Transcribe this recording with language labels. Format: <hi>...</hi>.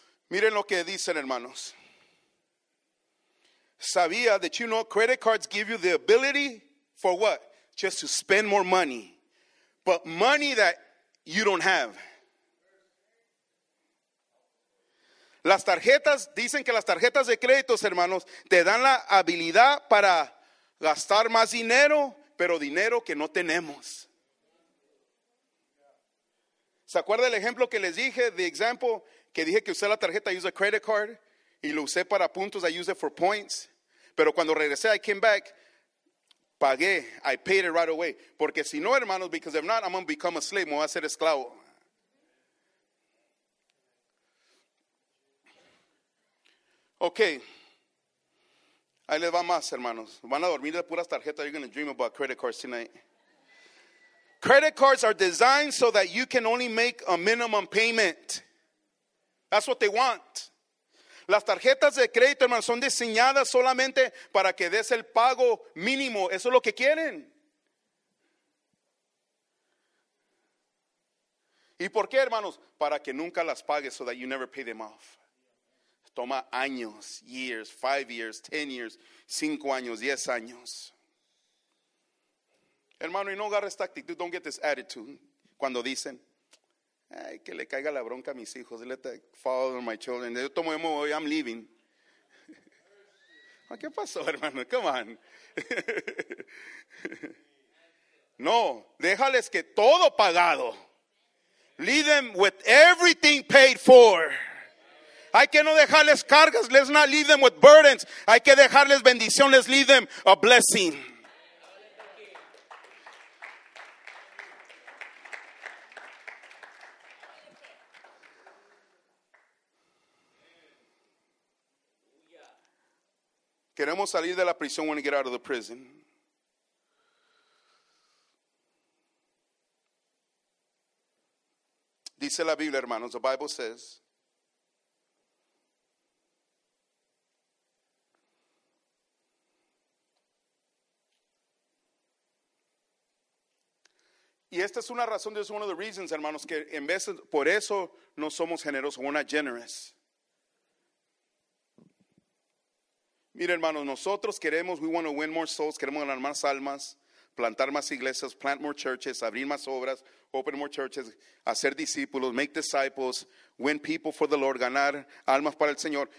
<es>Miren lo que dicen, hermanos. Sabía,</es> <en>that you know, credit cards give you the ability for what? Just to spend more money. But money that you don't have.</en> <es>Las tarjetas, dicen que las tarjetas de créditos, hermanos, te dan la habilidad para gastar más dinero, pero dinero que no tenemos. ¿Se acuerda el ejemplo que les dije?</es> <en>The example</en> <es>que dije que usé la tarjeta,</es> <en>I use a credit card,</en> <es>y lo usé para puntos,</es> <en>I use it for points.</en> <es>Pero cuando regresé,</es> <en>I came back,</en> <es>pagué,</es> <en>I paid it right away.</en> <es>Porque si no, hermanos,</es> <en>because if not, I'm going to become a slave,</en> <es>me voy a ser esclavo. Ok, ahí les va más, hermanos. Van a dormir de puras tarjetas,</es> <en>you're going to dream about credit cards tonight. Credit cards are designed so that you can only make a minimum payment. That's what they want.</en> <es>Las tarjetas de crédito, hermanos, son diseñadas solamente para que des el pago mínimo. Eso es lo que quieren. ¿Y por qué, hermanos? Para que nunca las pagues,</es> <en>so that you never pay them off.</en> <es>Toma años,</es> <en>years, 5 years, 10 years,</en> <es>5 años, 10 años. Hermano, y no agarres esta actitud,</es> <en>don't get this attitude.</en> <es>Cuando dicen, ay, que le caiga la bronca a mis hijos.</es> <en>Let the father of my children.</en> <es>Yo tomo, yo me voy,</es> <en>I'm leaving.</en> <es>¿Qué pasó, hermano?</es> <en>Come on.</en> <es>No, déjales que todo pagado.</es> <en>Leave them with everything paid for.</en> <es>Hay que no dejarles cargas.</es> <en>Let's not leave them with burdens.</en> <es>Hay que dejarles bendición.</es> <en>Let's leave them a blessing.</en> <es>Queremos salir de la prisión.</es> <en>We want to get out of the prison.</en> <es>Dice la Biblia, hermanos.</es> <en>The Bible says.</en> <es>Y esta es una razón.</es> <en>This is one of the reasons, hermanos.</en> <es>Que en vez de, por eso no somos generosos.</es> <en>We're not generous.</en> <es>Mira, hermanos, nosotros queremos,</es> <en>we want to win more souls,</en> <es>queremos ganar más almas, plantar más iglesias,</es> <en>plant more churches,</en> <es>abrir más obras,</es> <en>open more churches,</en> <es>hacer discípulos,</es> <en>make disciples, win people for the Lord,</en> <es>ganar almas para el Señor.</es>